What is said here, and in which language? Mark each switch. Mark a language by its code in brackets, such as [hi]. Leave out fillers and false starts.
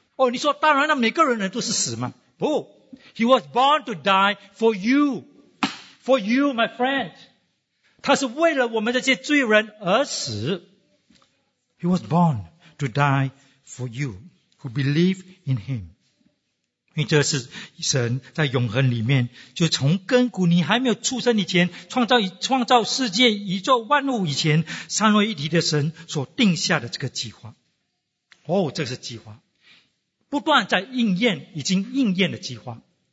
[zh] 你说当然了，每个人都是死吗？不， [en] He was born to die for you, my friend. [zh] 他是为了我们这些罪人而死。 [en] He was born to die for you who believe in him. [zh] 因为这是神在永恒里面，就从根骨，你还没有出生以前，创造世界宇宙万物以前，三位一体的神所定下的这个计划。这是计划，不断在应验，已经应验的计划。